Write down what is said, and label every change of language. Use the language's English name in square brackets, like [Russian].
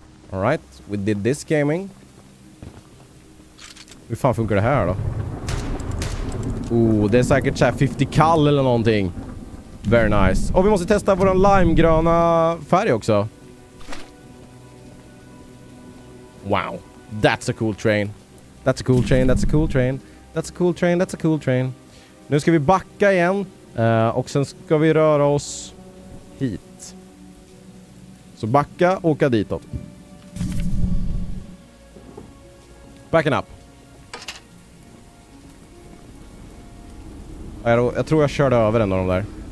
[English] All right, we did this gaming. [Swedish] Hur fan funkar det här då? Oh, det är säkert så här 50 kal eller någonting. [English] Very nice. [Swedish] Och vi måste testa vår limegröna färg också. [English] Wow. That's a cool train. That's a cool train, that's a cool train. That's a cool train, that's a cool train. [Swedish] Nu ska vi backa igen. Och sen ska vi röra oss hit. Så backa, åka ditåt. [English] Backing up. [Swedish] Jag tror jag körde över en av dem där.